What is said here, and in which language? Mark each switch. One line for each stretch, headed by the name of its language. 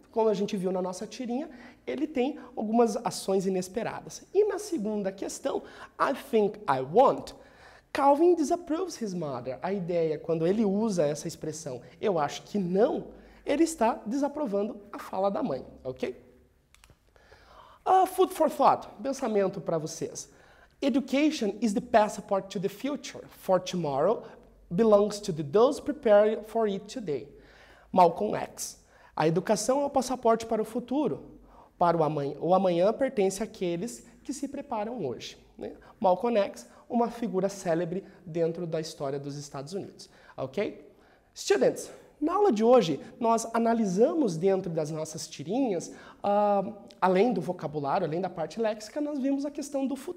Portuguese: Como a gente viu na nossa tirinha, ele tem algumas ações inesperadas. E na segunda questão,
English: I think I won't, Calvin disapproves his mother.
Portuguese: A ideia, quando ele usa essa expressão, eu acho que não, ele está desaprovando a fala da mãe, ok?
English: Food for thought,
Portuguese: pensamento para vocês.
English: Education is the passport to the future, for tomorrow belongs to those prepared for it today. Malcolm X.
Portuguese: A educação é o passaporte para o futuro, para o amanhã pertence àqueles que se preparam hoje. Né? Malcolm X, uma figura célebre dentro da história dos Estados Unidos. Ok? Students, na aula de hoje, nós analisamos dentro das nossas tirinhas, além do vocabulário, além da parte léxica, nós vimos a questão do futuro. Ficamos por aqui.
English: Thanks a lot.